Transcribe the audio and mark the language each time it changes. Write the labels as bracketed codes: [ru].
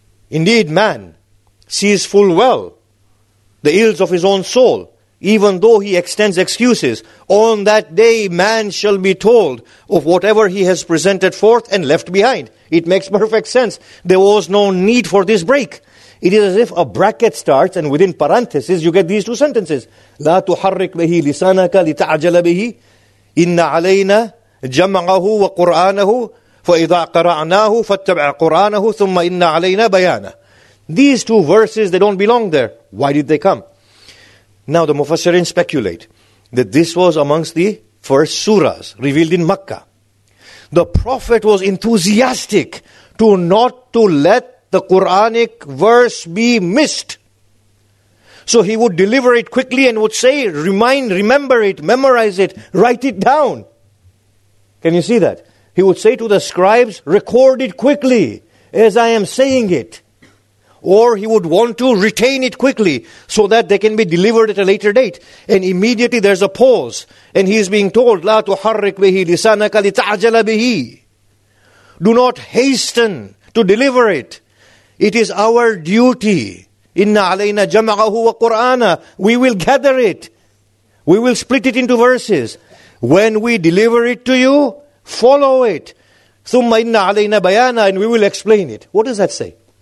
[en] Indeed, man sees full well the ills of his own soul, even though he extends excuses. On that day, man shall be told of whatever he has presented forth and left behind. It makes perfect sense. There was no need for this break. It is as if a bracket starts and within parentheses you get these two sentences. [ar] لا تحرك به لسانك لتعجل به إن علينا جمعه وقرآنه فإذا قرأناه فاتبع قرآنه ثم إن علينا بيانا. [en] These two verses, they don't belong there. Why did they come? Now the Mufassirin speculate that this was amongst the first surahs revealed in Makkah. The Prophet was enthusiastic not to let the Quranic verse be missed. So he would deliver it quickly and would say, remember it, memorize it, write it down. Can you see that? He would say to the scribes, record it quickly as I am saying it. Or he would want to retain it quickly so that they can be delivered at a later date. And immediately there's a pause. And he is being told, [ar] لا تحرك به لسانك لتعجل به. [en] Do not hasten to deliver it. It is our duty. [ar] إِنَّ عَلَيْنَا جَمْعَهُ وَقُرْآنَا. [en] We will gather it. We will split it into verses. When we deliver it to you, follow it. [ar] ثُمَّ إِنَّ عَلَيْنَا بَيَانَا. [en] And we will explain it. What does that say?